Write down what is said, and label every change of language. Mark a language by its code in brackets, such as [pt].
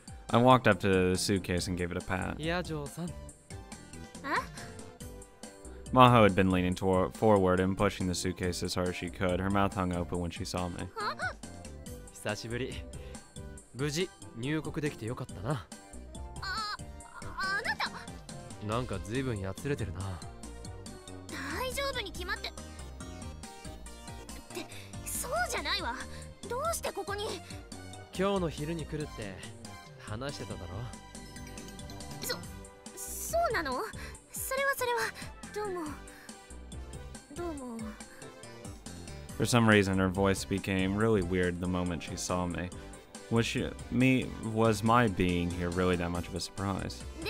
[en] I walked up to the suitcase and gave it a pat. Yeah, Joel-san. Maho had been leaning forward and pushing the suitcase as hard as she could. Her mouth hung open when she saw me. [ja] 久しぶり。無事入国できてよかったな。あ、あなた。なんか随分やつれてるな。大丈夫に決まって。って、そうじゃないわ。どうしてここに?今日の昼に来るって話してただろ。そ、そうなの?それはそれは。どうも。どうも。 [en] For some reason, her voice became really weird the moment she saw me. Was my being here really that much of a surprise?